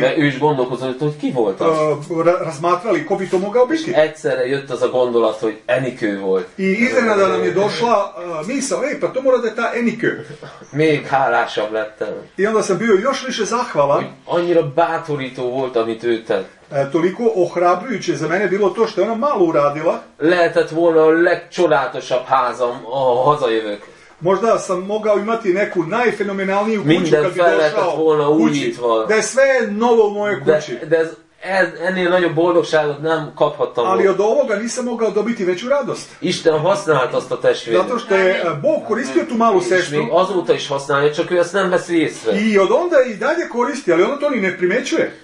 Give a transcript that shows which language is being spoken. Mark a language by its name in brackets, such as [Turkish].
[Hungarian] Mert ő is gondolkozom, hogy ki volt az. [Serbian] Razmatrali, ko bi to mogao biti. [Hungarian] És egyszerre jött az a gondolat, hogy Enikő volt. [Serbian] I iznenada nam je došla misa, ej, pa to mora da je ta Enikő. [Hungarian] Még hálásabb lettem. [Serbian] I onda sam bio još više zahvalan. [Hungarian] Annyira bátorító volt, amit ő tett. [Serbian] Toliko ohrabrujuće za mene bilo to što je ona malo uradila. [Hungarian] Lehetett volna a legcsodálatosabb házam, hazajövök. [Serbian] Možda sam mogao imati neku najfenomenalniju kuću [Hungarian] minden [Serbian] kad bi došao kući, da je sve novo u mojoj kući. [Hungarian] Ennél nagyobb boldogságot nem kaphattam. [Serbian] Ali od ovoga nisam mogao dobiti veću radost. [Hungarian] Isten használta azt a testvéret. [Serbian] Zato što je Bog koristio tu malu sestru. [Hungarian] Azóta is használja, csak ő ezt nem veszi észre. [Serbian] I od onda i dalje koristi, ali ona to ni ne primećuje.